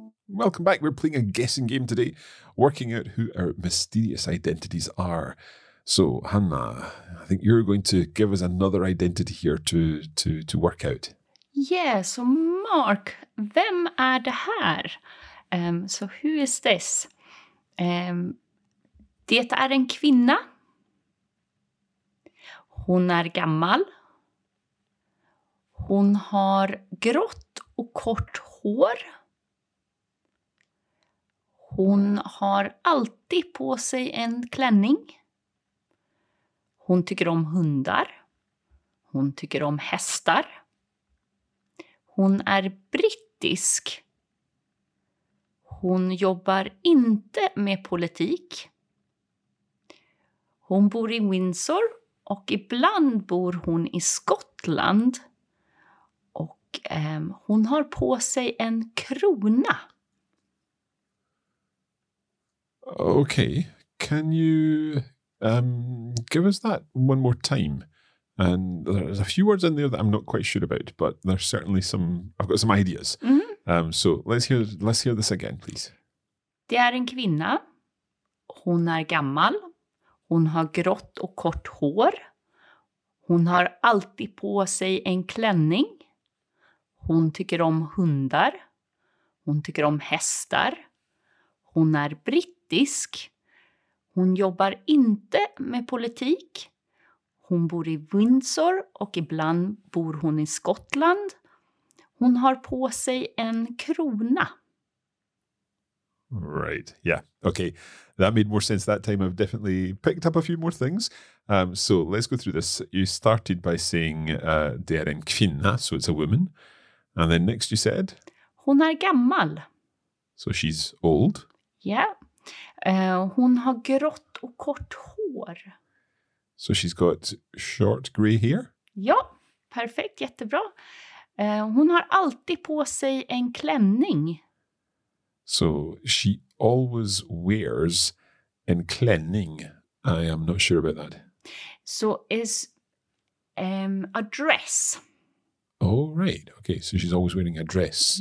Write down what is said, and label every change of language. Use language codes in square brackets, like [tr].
[en] Welcome back. We're playing a guessing game today, working out who our mysterious identities are. So, Hanna, I think you're going to give us another identity here to work out. Yeah, so [sv] Mark, vem är det här? [en] So who is this? [sv] Det är en kvinna. Hon är gammal. Hon har grått och kort hår. Hon har alltid på sig en klänning. Hon tycker om hundar. Hon tycker om hästar. Hon är brittisk. Hon jobbar inte med politik. Hon bor i Windsor och ibland bor hon i Skottland. Och hon har på sig en krona. [en] Okay, can you give us that one more time? And there's a few words in there that I'm not quite sure about, but there's certainly some, I've got some ideas. Mm-hmm. So let's hear this again, please. [sv] Det är en kvinna. Hon är gammal. Hon har grått och kort hår. Hon har alltid på sig en klänning. Hon tycker om hundar. Hon tycker om hästar. Hon är brittisk. Hon jobbar inte med politik. Hon bor i Windsor och ibland bor hon i Skottland. Hon har på sig en krona. [en] Right, yeah. Okay, that made more sense that time. I've definitely picked up a few more things. So let's go through this. You started by saying [sv] det är en kvinna, [en] so it's a woman. And then next you said? [sv] Hon är gammal. [en] So she's old. Yeah. [sv] Hon har grått och kort hår. [en] So she's got short grey hair? [sv] Ja, perfekt, jättebra. Hon har alltid på sig en klänning. [en] So she always wears [sv] en klänning. [en] I am not sure about that. So is a dress. Oh, right. Okay, so she's always wearing a dress.